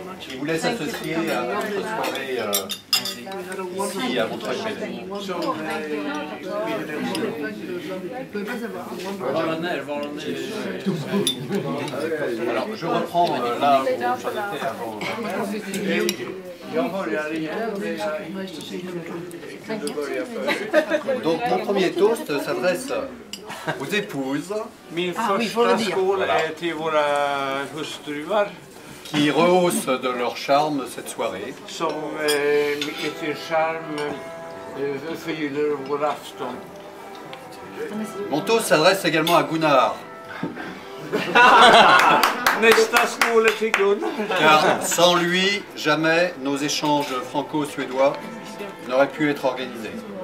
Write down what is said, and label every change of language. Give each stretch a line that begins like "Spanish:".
French: Je vous laisse associer à notre soirée ici à votre chaîne. Alors, je reprends là où j'en étais avant. Donc, mon premier toast s'adresse aux épouses.
Swedish: Min första skål är till våra hustruar.
French: Qui rehaussent de leur charme cette soirée.
Swedish: Som ett charme förgyller vår afton.
French: Mon toast s'adresse également à Gunnar.
Swedish: Nästa skål är till Gunnar.
French: Car sans lui, jamais nos échanges franco-suédois n'auraient pu être organisés.